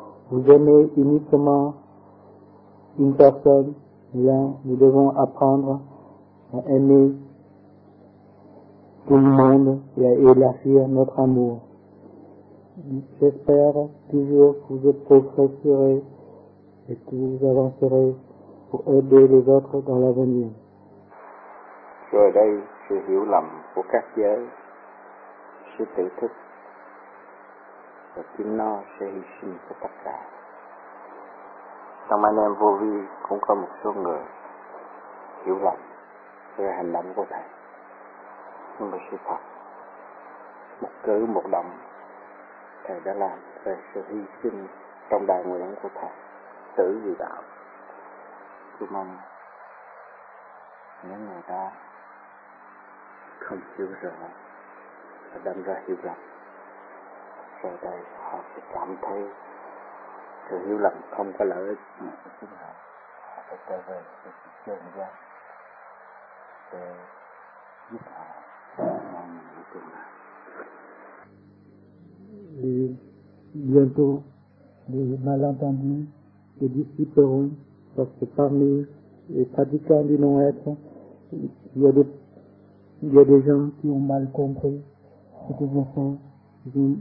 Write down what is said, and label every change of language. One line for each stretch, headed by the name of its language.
French: Vous aimez uniquement une personne, là, nous devons apprendre à aimer tout le monde et à élargir notre amour. J'espère toujours que vous progresserez et que vous avancerez pour aider les autres dans l'avenir.
Vietnamese: Rồi đây, sự hiểu lầm của các giới, sự tự thức và chính nó sẽ hy sinh cho tất cả. Trong anh em vô vi cũng có một số người hiểu lầm về hành động của Thầy. Nhưng mà sự thật, một cử một động Thầy đã làm về sự hy sinh trong đại nguyện của Thầy, tử vì đạo. Tôi mong những người ta không hiểu rõ và đâm ra hiểu lầm, rồi đây họ sẽ cảm thấy sự hiểu lầm không có lợi ích gì cho chính họ. Họ sẽ trở về với sự chân giác để giúp họ mong muốn tương lai.
French: Et bientôt, les malentendus se dissiperont parce que parmi les pratiquants du non-être, il y a des gens qui ont mal compris ce que je fais.